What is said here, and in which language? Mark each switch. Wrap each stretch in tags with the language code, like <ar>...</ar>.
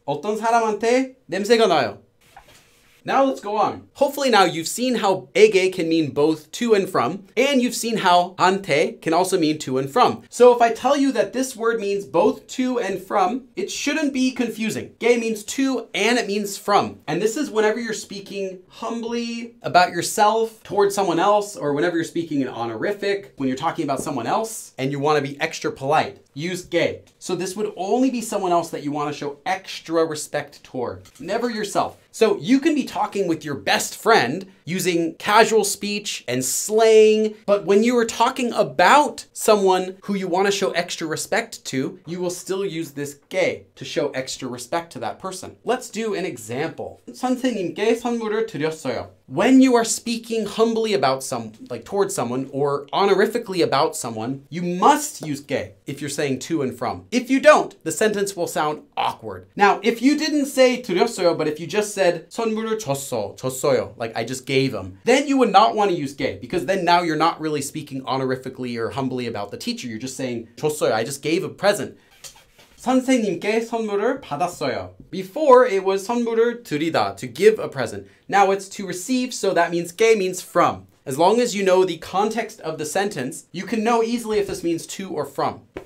<ko>어떤 사람한테 냄새가 나요.</ko> <en>Now let's go on. Hopefully now you've seen how 에게 can mean both to and from, and you've seen how 한테 can also mean to and from. So if I tell you that this word means both to and from, it shouldn't be confusing. 게 means to and it means from. And this is whenever you're speaking humbly about yourself towards someone else, or whenever you're speaking an honorific, when you're talking about someone else and you want to be extra polite, use 게. So this would only be someone else that you want to show extra respect toward, never yourself. So you can be talking with your best friend using casual speech and slang, but when you are talking about someone who you want to show extra respect to, you will still use this 게 to show extra respect to that person. Let's do an example.</en> <ko>선생님께 선물을 드렸어요.</ko> <en>When you are speaking humbly about some, like towards someone, or honorifically about someone, you must use 게 if you're saying to and from. If you don't, the sentence will sound awkward. Now, if you didn't say</en> <ko>드렸어요,</ko> <en>but if you just said</en> <ko>선물을 줬어요,</ko> <en>like I just gave him, then you would not want to use 게 because then now you're not really speaking honorifically or humbly about the teacher. You're just saying</en> <ko>줬어요,</ko> <en>I just gave a present.</en> <ko>선생님께 선물을 받았어요.</ko> <en>Before it was</en> <ko>선물을 드리다,</ko> <en>to give a present. Now it's to receive, so that means 게 means from. As long as you know the context of the sentence, you can know easily if this means to or from.</en>